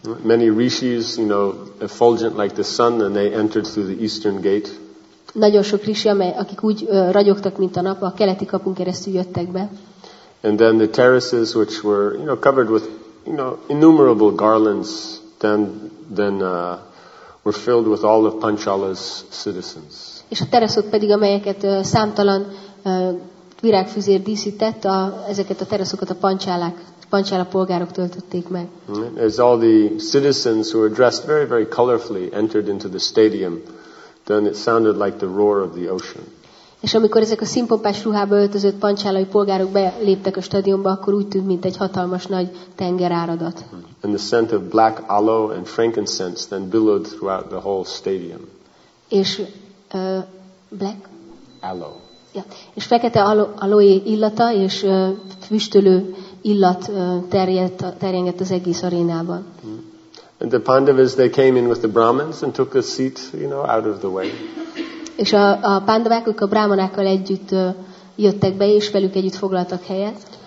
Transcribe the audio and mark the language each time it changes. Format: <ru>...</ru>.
<en>Many rishis, you know, effulgent like the sun, and they entered through the eastern gate.</en> <hu>Nagyon sok rishi, akik úgy ragyogtak, mint a nap, a keleti kapun keresztül jöttek be.</hu> <en>And then the terraces, which were, you know, covered with, you know, innumerable garlands, then were filled with all of Panchala's citizens.</en> <hu>És a teraszok pedig, amelyeket számtalan virágfüzér díszített, ezeket a teraszokat a Panchala polgárok töltötték meg.</hu> <en>As all the citizens who were dressed very, very colorfully entered into the stadium, then it sounded like the roar of the ocean.</en> <hu>És amikor ezek a színpompás ruhába öltözött pancsálai polgárok beléptek a stadionba, akkor úgy tűnt, mint egy hatalmas nagy tengeráradat.</hu> <en>And the scent of black aloe and frankincense then billowed throughout the whole stadium.</en> <hu>És black aloe. Ja. És fekete aloe illata és füstölő illat terjengett az egész arénában.</hu> <en>And the Pandavas, they came in with the Brahmins and took a seat, you know, out of the way.</en> <hu>És a Pandavák, ők a Brahmanákkal együtt jöttek be, és velük együtt foglaltak helyet.</hu>